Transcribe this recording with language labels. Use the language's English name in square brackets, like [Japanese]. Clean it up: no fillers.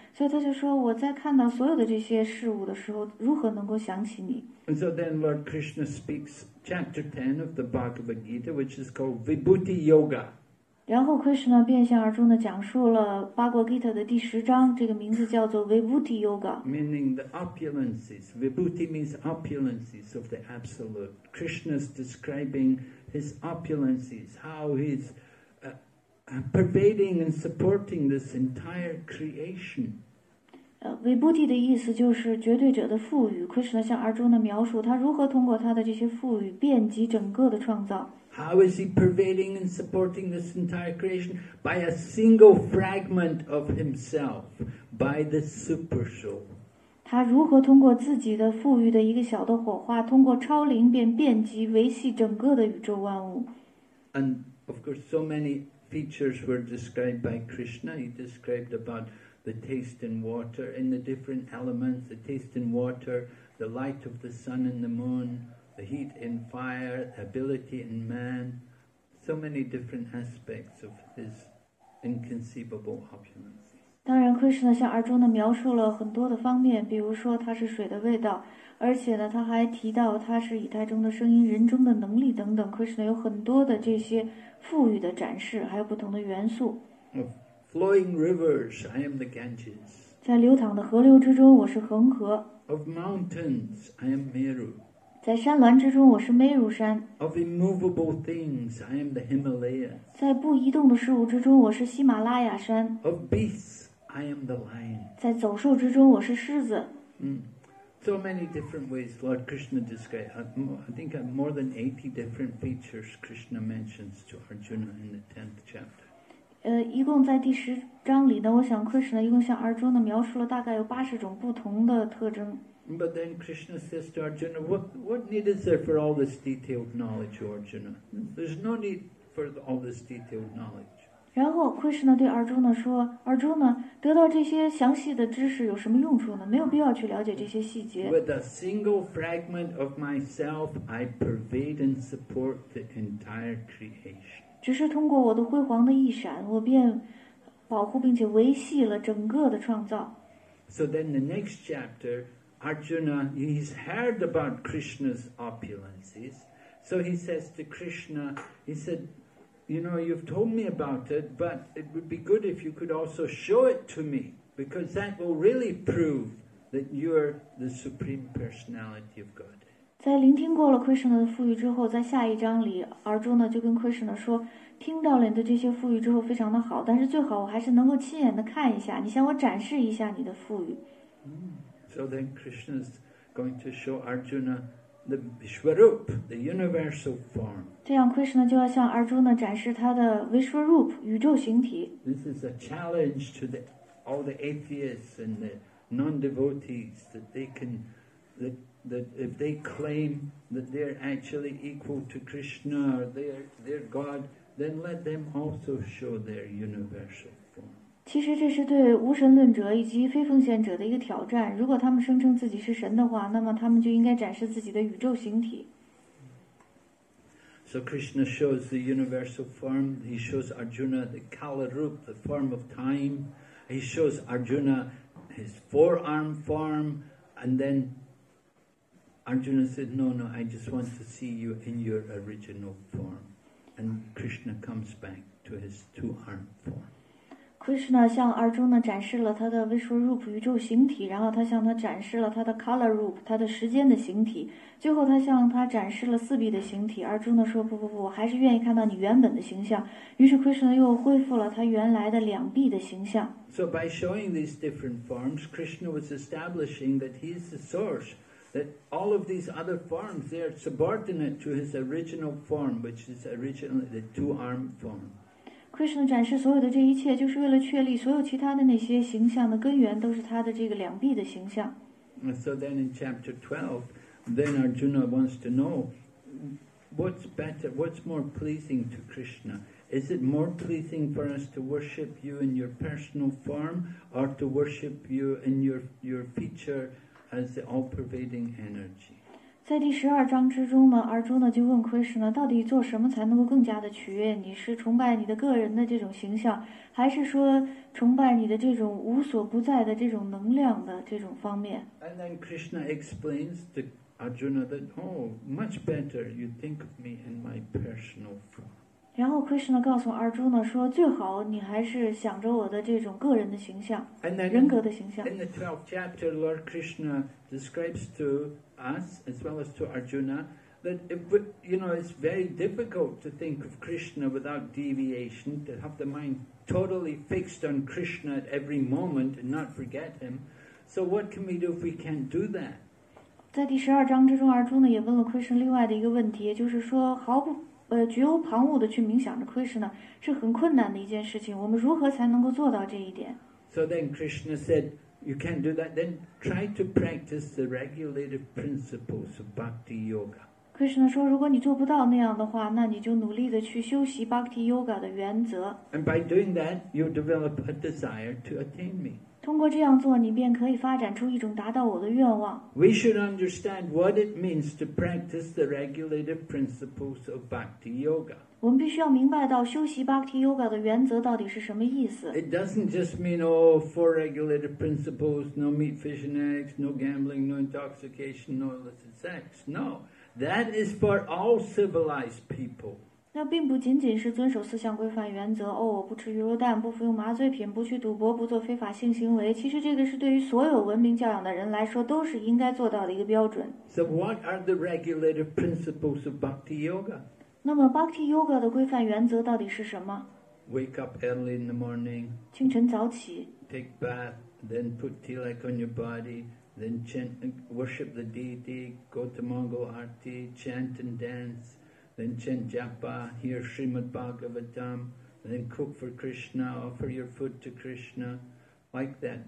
[Chinese] 所以他就说我在看到所有的这些事物的时候如何能够想起你 [English] And so then Lord Krishna speaks chapter 10 of the Bhagavad Gita which is called Vibhuti Yoga [Chinese] 然后 Krishna 便向阿中的讲述了 Bhagavad Gita 的第十章这个名字叫做 Vibhuti Yoga [English] meaning the opulences Vibhuti means opulences of the absolute Krishna's describing his opulences how he'spervading and supporting this entire creation. [Chinese] Vibhuti 的意思就是绝对者的赋予 Krishna 向 Arjuna 描述他如何通过他的这些赋予遍及整个的创造 [English] How is he pervading and supporting this entire creation? By a single fragment of himself, by the super soul. [Chinese] 他如何通过自己的赋予的一个小的火花通过超灵便遍及维系整个的宇宙万物 [English] And of course so manyfeatures were described by Krishna. He described about the taste in water, in the different elements, the taste in water, the light of the sun and the moon, the heat in fire, ability in man, so many different aspects of his inconceivable opulence. [Chinese] 当然 Krishna 向 Arjuna 描述了很多的方面比如说它是水的味道而且呢他还提到它是以太中的声音人中的能力等等 Krishna 有很多的这些富裕的展示还有不同的元素 [English] Flowing rivers, I am the Ganges [Chinese] 在流淌的河流之中我是恒河 [English] Of mountains, I am Meru [Chinese] 在山峦之中我是梅如山 [English] Of immovable things, I am the Himalaya [Chinese] 在不移动的事物之中我是喜马拉雅山 [English] Of beasts, I am the lion [Chinese] 在走兽之中我是狮子、 [English] So many different ways Lord Krishna describes, I think more than 80 different features Krishna mentions to Arjuna in the 10th chapter. [Chinese] 一共在第十章里呢我想 Krishna 一共向 Arjuna 描述了大概有80种不同的特征。 [English] But then Krishna says to Arjuna, what need is there for all this detailed knowledge, Arjuna? There's no need for all this detailed knowledge. [Chinese] 然后 Krishna 对 Arjuna 说 Arjuna 得到这些详细的知识有什么用处呢没有必要去了解这些细节 [English] With a single fragment of myself I pervade and support the entire creation [Chinese] 只是通过我的辉煌的一闪我便保护并且维系了整个的创造 [English] So then the next chapter Arjuna he's heard about Krishna's opulences So he says to Krishna he saidYou know, you've told me about it, but it would be good if you could also show it to me, because that will really prove that you're the Supreme Personality of God. [Chinese] 在聆听过了 Krishna 的赋予之后，在下一章里，Arjuna 就跟 Krishna 说，听到了你的这些赋予之后非常的好，但是最好我还是能够亲眼的看一下，你向我展示一下你的赋予。 [English] So then Krishna's going to show Arjuna the Vishwarup, the universal form. [Chinese] 这样 Krishna 就要向 Arjuna 展示他的 Vishwarup 宇宙形体 [English] This is a challenge to the, all the atheists and the non-devotees that they can that if they claim that they are actually equal to Krishna or their God then let them also show their universal form [Chinese] 其实这是对无神论者以及非奉献者的一个挑战如果他们声称自己是神的话那么他们就应该展示自己的宇宙形体 [English] So Krishna shows the universal form. He shows Arjuna the Kala Rup, the form of time. He shows Arjuna his forearm form. And then Arjuna said, no, I just want to see you in your original form. And Krishna comes back to his two-arm form. [Chinese] Krishna 向 Arjuna 展示了他的 Visual Roop 宇宙形体，然后他向他展示了他的 Color Roop 他的时间的形体，最后他向他展示了四臂的形体。 Arjuna 说不不不，我还是愿意看到你原本的形象。于是 Krishna 又恢复了他原来的两臂的形象。 [English] So by showing these different forms, Krishna was establishing that he is the source, that all of these other forms, they are subordinate to his original form, which is originally the two-arm form. [Chinese] Krishna 展示所有的这一切，就是为了确立所有其他的那些形象的根源都是他的这个两臂的形象。 [English] So then in chapter 12, then Arjuna wants to know what's better, what's more pleasing to Krishna? Is it more pleasing for us to worship you in your personal form or to worship you in your feature as the all-pervading energy? [Chinese] 在第十二章之中呢，阿朱呢就问 Krishna， 到底做什么才能够更加的取悦你？是崇拜你的个人的这种形象，还是说崇拜你的这种无所不在的这种能量的这种方面 [English] ？And then Krishna explains to Arjuna that, oh, much better you think of me in my personal form. [Chinese] 然后 Krishna 告诉阿朱呢说，最好你还是想着我的这种个人的形象， [English] And then [Chinese] 人格的形象。 [English] In the 12th chapter, Lord Krishna describes toUs as well as to Arjuna, that if we, you know, it's very difficult to think of Krishna without deviation, to have the mind totally fixed on Krishna at every moment and not forget him. So what can we do if we can't do that? [Chinese] 在第十二章之中，阿朱呢也问了 Krishna 另外的一个问题，也就是说毫不绝无旁骛的去冥想着 Krishna 是很困难的一件事情。我们如何才能够做到这一点 [English] ？So then Krishna said. You can't do that. Then try to practice the regulative principles of Bhakti Yoga. [Chinese] Krishna 说，如果你做不到那样的话，那你就努力的去修习 Bhakti Yoga 的原则。 [English] And by doing that, you develop a desire to attain me. [Chinese] 通过这样做，你便可以发展出一种达到我的愿望。 [English] We should understand what it means to practice the regulative principles of Bhakti Yoga. [Chinese] 我们必须要明白到修习 Bhakti Yoga 的原则到底是什么意思。 [English] It doesn't just mean, oh, four regulated principles, no meat, fish and eggs, no gambling, no intoxication, no illicit sex. No, that is for all civilized people. [Chinese] 那并不仅仅是遵守四项规范原则，哦，我不吃鱼肉蛋，不服用麻醉品，不去赌博，不做非法性行为。其实这个是对于所有文明教养的人来说都是应该做到的一个标准。 [English] So what are the regulated principles of Bhakti Yoga? [Chinese] 那么 Bhakti Yoga 的规范原则到底是什么 [English] ？Wake up early in the morning. [Chinese] 清晨早起。 [English] Take bath, then put tilak on your body, then chant, worship the deity, go to Mangal Arati, chant and dance, then chant Japa, hear Srimad Bhagavatam, then cook for Krishna, offer your food to Krishna, like that.